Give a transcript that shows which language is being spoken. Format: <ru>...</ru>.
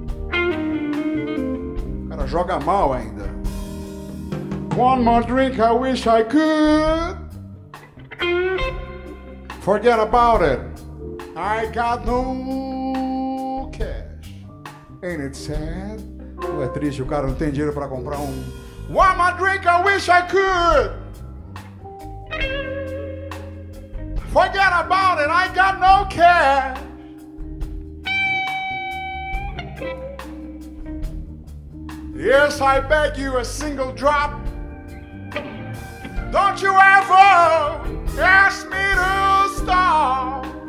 <pt>Cara joga mal ainda.</pt> <en>One more drink, I wish I could. Forget about it, I got no cash. Ain't it sad?</en> <pt>Pô, é triste, o cara não tem dinheiro pra comprar um</pt> <en>one more drink, I wish I could. Forget about it, I got no cash. Yes, I beg you a single drop. Don't you ever ask me to stop.</en>